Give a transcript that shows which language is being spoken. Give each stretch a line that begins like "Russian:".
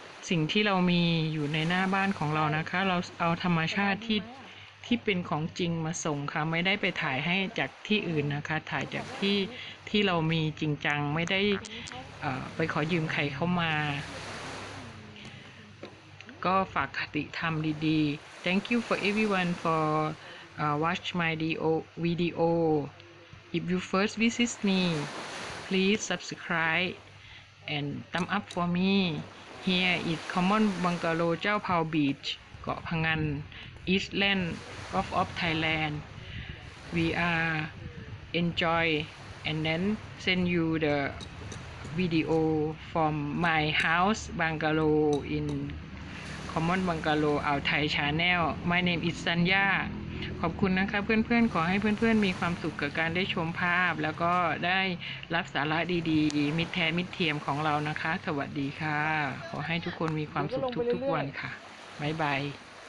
Thai: สิ่งที่เรามีอยู่ในหน้าบ้านของเรานะคะเราเอาธรรมชาติที่เป็นของจริงมาส่งค่ะไม่ได้ไปถ่ายให้จากที่อื่นนะคะถ่ายจากที่เรามีจริงจังไม่ได้ไปขอยืมใครเข้ามาก็ฝากคติธรรมดีๆ
English: Thank you for everyone forwatch my video. If you first visit me, please subscribe and thumb up for me. Here is common bungalow, Chao Phao Beach, Kaw Phangan, Island of Thailand. We are enjoy and then send you the video from my house bungalow in common bungalow our Thai channel. My name is Sanya.
Thai: ขอบคุณนะคะเพื่อนๆขอให้เพื่อนๆมีความสุขกับการได้ชมภาพแล้วก็ได้รับสาระดีๆมิตรแท้มิตรเทียมของเรานะคะสวัสดีค่ะขอให้ทุกคนมีความสุขทุกๆวันค่ะบ๊ายบาย